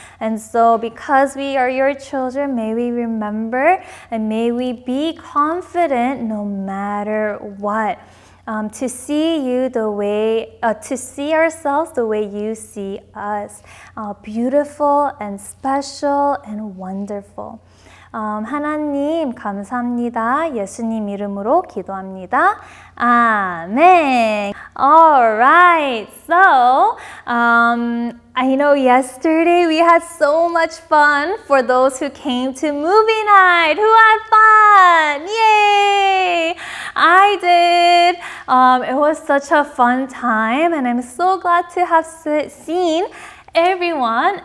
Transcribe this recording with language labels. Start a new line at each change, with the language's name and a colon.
English: And so because we are your children, may we remember and may we be confident no matter what. To see you the way, to see ourselves the way you see us, beautiful and special and wonderful.
Korean: 하나님 감사합니다. 예수님 이름으로 기도합니다.
English: 아멘. All right. So, I know yesterday we had so much fun for those who came to movie night. Who had fun? Yay! I did. It was such a fun time, and I'm so glad to have seen everyone.